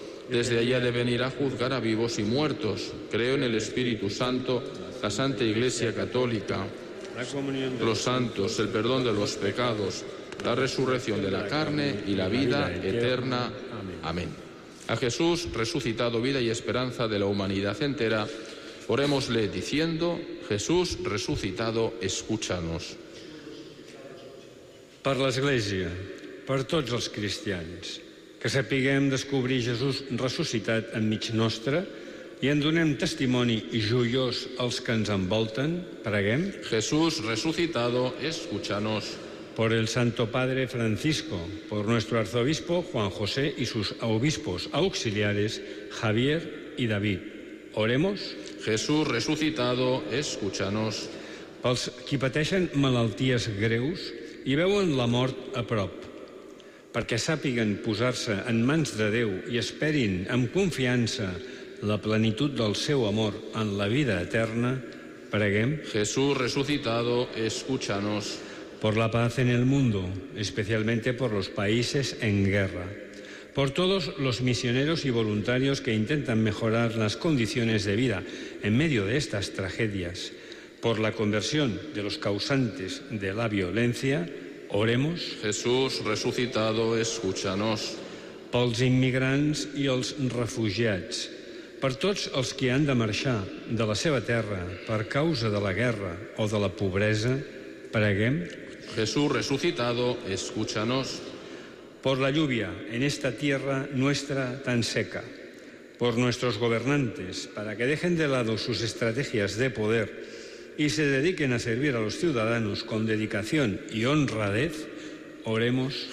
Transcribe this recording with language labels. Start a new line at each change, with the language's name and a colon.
Spanish: Desde allí ha de venir a juzgar a vivos y muertos. Creo en el Espíritu Santo, la Santa Iglesia Católica, los santos, el perdón de los pecados, la resurrección de la carne y la vida eterna. Amén. A Jesús, resucitado, vida y esperanza de la humanidad entera, orémosle diciendo, Jesús, resucitado, escúchanos.
Catalan: Per l'Església, per tots els cristians, que sapiguem descobrir Jesús ressuscitat enmig nostre, i en donem testimoni joiós als que ens envolten, preguem.
Spanish: Jesús resucitado, escúchanos. Por el Santo Padre Francisco, por nuestro arzobispo Juan José y sus obispos auxiliares Javier y David. Oremos. Jesús resucitado, escúchanos.
Catalan: Pels qui pateixen malalties greus i veuen la mort a prop, perquè sàpiguen posar-se en mans de Déu i esperin amb confiança la plenitud del seu amor en la vida eterna, preguem.
Spanish: Jesús resucitado, escúchanos. Por la paz en el mundo, especialmente por los países en guerra. Por todos los misioneros y voluntarios que intentan mejorar las condiciones de vida en medio de estas tragedias. Por la conversión de los causantes de la violencia, oremos. Jesús resucitado, escúchanos.
Catalan: Pels immigrants i els refugiats. Per tots els que han de marxar de la seva terra per causa de la guerra o de la pobresa, preguem.
Spanish: Jesús resucitado, escúchanos. Por la lluvia en esta tierra nuestra tan seca. Por nuestros gobernantes, para que dejen de lado sus estrategias de poder y se dediquen a servir a los ciudadanos con dedicación y honradez, oremos.